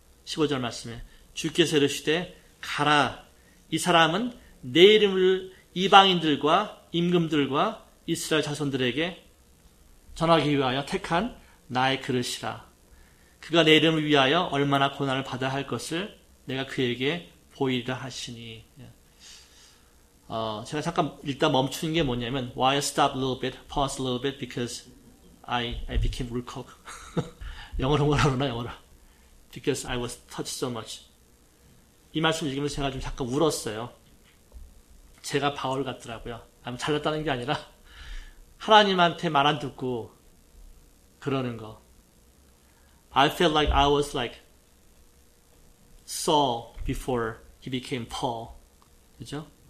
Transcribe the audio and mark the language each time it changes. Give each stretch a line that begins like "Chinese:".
Korean: 15절 말씀에 주께서 이르시되 가라 이 사람은 내 이름을 이방인들과 임금들과 이스라엘 자손들에게 전하기 위하여 택한 나의 그릇이라 그가 내 이름을 위하여 얼마나 고난을 받아야 할 것을 내가 그에게 보이리라 하시니 제가 잠깐 일단 멈추는 게 뭐냐면
English: Why I stop a little bit? Pause a little bit because I became woodcock.
Korean: 영어로 뭐라 그러나 영어로
English: Because I was touched so much.
Korean: 이 말씀을 읽으면서 제가 좀 잠깐 울었어요. 제가 바울 같더라고요. 잘났다는 게 아니라 하나님한테 말 안 듣고 그러는 거.
English: I felt like I was like Saul before he became Paul.
Korean: 그죠?